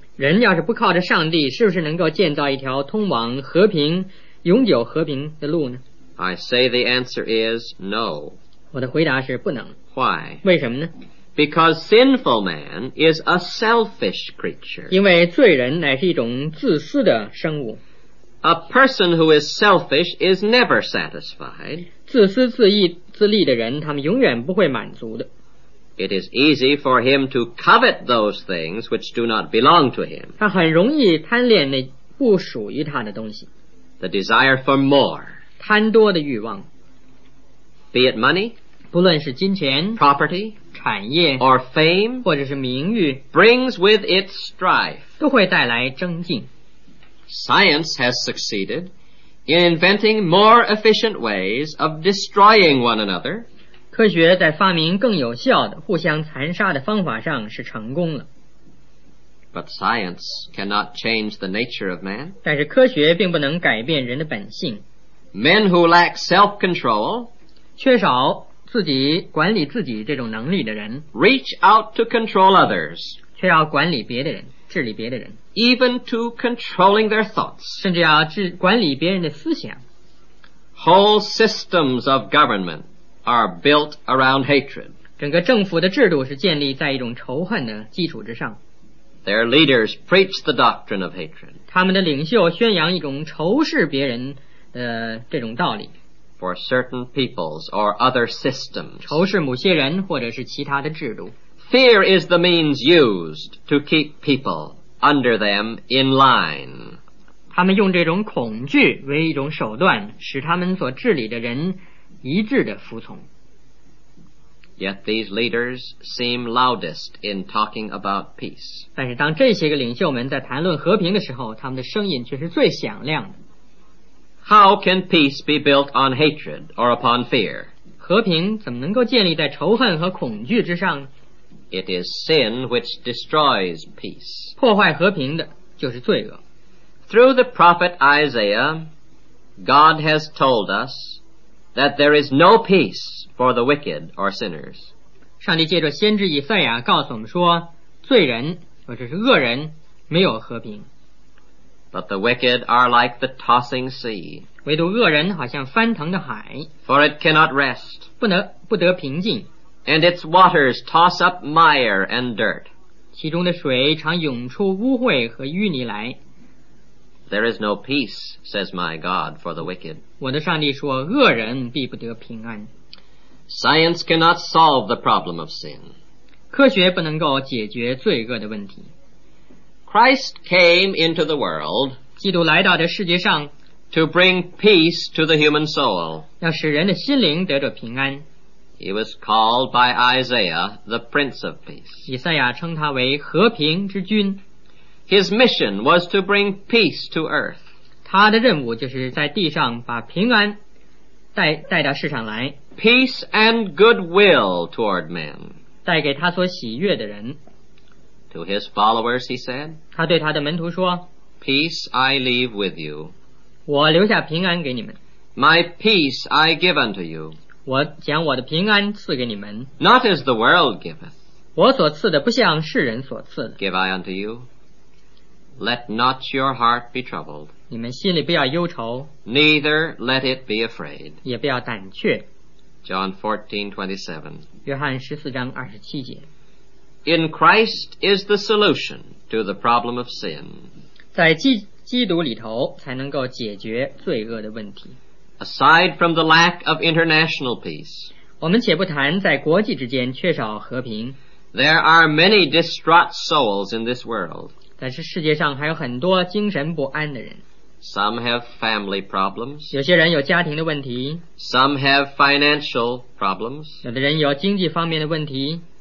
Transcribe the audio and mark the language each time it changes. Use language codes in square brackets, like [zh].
[zh] 人要是不靠着上帝，是不是能够建造一条通往和平、永久和平的路呢？ [en] I say the answer is no. [zh] 我的回答是不能。 [en] Why? [zh] 为什么呢？ [en] Because sinful man is a selfish creature. [zh] 因为罪人乃是一种自私的生物。 [en] A person who is selfish is never satisfied. [zh] 自私自义自利的人，他们永远不会满足的。 [en] It is easy for him to covet those things which do not belong to him. [zh] 他很容易贪恋那不属于他的东西。 [en] The desire for more. [zh] 贪多的欲望。 [en] Be it money. [zh] 不论是金钱。 [en] Property. [zh] 产业。 [en] Or fame. [zh] 或者是名誉。 [en] Brings with it strife. [zh] 都会带来争竞。 [en] Science has succeeded in inventing more efficient ways of destroying one another. [zh] 科学在发明更有效的互相残杀的方法上是成功了。 [en] But science cannot change the nature of man. [zh] 但是科学并不能改变人的本性。 [en] Men who lack self-control, [zh] 缺少自己管理自己这种能力的人， [en] reach out to control others, [zh] 却要管理别的人，治理别的人， [en] even to controlling their thoughts, [zh] 甚至要管理别人的思想。 [en] Whole systems of government,are built around hatred. [zh] 整个政府的制度是建立在一种仇恨的基础之上。 [en] Their leaders preach the doctrine of hatred. [zh] 他们的领袖宣扬一种仇视别人的这种道理。 [en] For certain peoples or other systems. [zh] 仇视某些人或者是其他的制度。 [en] Fear is the means used to keep people under them in line. [zh] 他们用这种恐惧为一种手段，使他们所治理的人一致的服从。 [en] Yet these leaders seem loudest in talking about peace. [zh] 但是当这些个领袖们在谈论和平的时候，他们的声音却是最响亮的。 [en] How can peace be built on hatred or upon fear? [zh] 和平怎么能够建立在仇恨和恐惧之上？ [en] It is sin which destroys peace. [zh] 破坏和平的就是罪恶。 [en] Through the prophet Isaiah, God has told us,That there is no peace for the wicked or sinners. [zh] 上帝借着先知以赛亚告诉我们说，罪人或者是恶人没有和平。 [en] But the wicked are like the tossing sea. [zh] 唯独恶人好像翻腾的海。 [en] For it cannot rest. [zh] 不得平静。 [en] And its waters toss up mire and dirt. [zh] 其中的水常涌出污秽和淤泥来。 [en] There is no peace, says my God, for the wicked. [zh] 我的上帝说，恶人必不得平安。 [en] Science cannot solve the problem of sin. [zh] 科学不能够解决罪恶的问题。 [en] Christ came into the world, [zh] 基督来到这世界上， [en] to bring peace to the human soul. [zh] 要使人的心灵得着平安。 [en] He was called by Isaiah, the Prince of Peace. [zh] 以赛亚称他为和平之君。 [en] His mission was to bring peace to earth. [zh] 他的任务就是在地上把平安 带到世上来。 [en] Peace and goodwill toward men. [zh] 带给他所喜悦的人。 [en] To his followers, he said, [zh] 他对他的门徒说， [en] Peace I leave with you. [zh] 我留下平安给你们。 [en] My peace I give unto you. [zh] 我将我的平安赐给你们。 [en] Not as the world giveth. [zh] 我所赐的不像世人所赐的。 [en] Give I unto you. Let not your heart be troubled. [zh] 你们心里不要忧愁。 [en] Neither let it be afraid. [zh] 也不要胆怯。 [en] John 14:27. [zh] 约翰十四章二十七节。 [en] In Christ is the solution to the problem of sin. [zh] 在基督里头才能够解决罪恶的问题。 [en] Aside from the lack of international peace. [zh] 我们且不谈在国际之间缺少和平。 [en] There are many distraught souls in this world. [zh] 但是世界上还有很多精神不安的人。 [en] Some have family problems. [zh] 有些人有家庭的问题。 [en] Some have financial problems. [zh] 有的人有经济方面的问题。